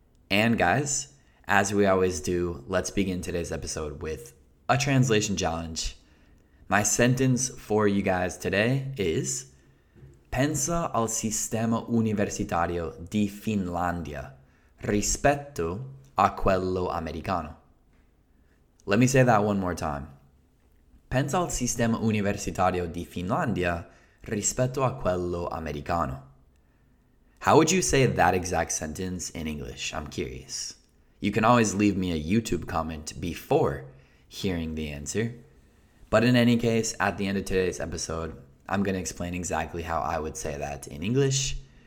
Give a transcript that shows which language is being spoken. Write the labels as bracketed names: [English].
[English] And guys, as we always do, let's begin today's episode with a translation challenge. My sentence for you guys today is: [Italian] Pensa al sistema universitario di Finlandia rispetto a quello americano. [English] Let me say that one more time. [Italian] Pensa al sistema universitario di Finlandia rispetto a quello americano. [English] How would you say that exact sentence in English? I'm curious. You can always leave me a YouTube comment before hearing the answer. But in any case, at the end of today's episode, I'm going to explain exactly how I would say that in English.